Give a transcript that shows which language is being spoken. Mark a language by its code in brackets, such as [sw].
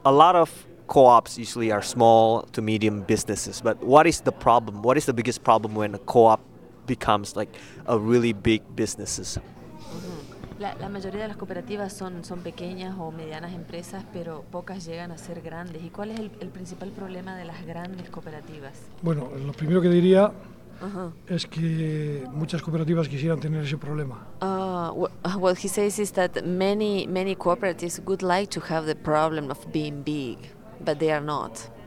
[en] a lot of co-ops usually are small to medium businesses, but what is the problem? What is the biggest problem when a co-op becomes like a really big businesses? [es] La mayoría de las cooperativas son pequeñas o medianas empresas, pero pocas llegan a ser grandes. ¿Y cuál es el principal problema de las grandes cooperativas? Bueno, lo primero que diría es que muchas cooperativas quisieran tener ese problema. [en] What he says is that many cooperatives would like to have the problem of being big, but they are not.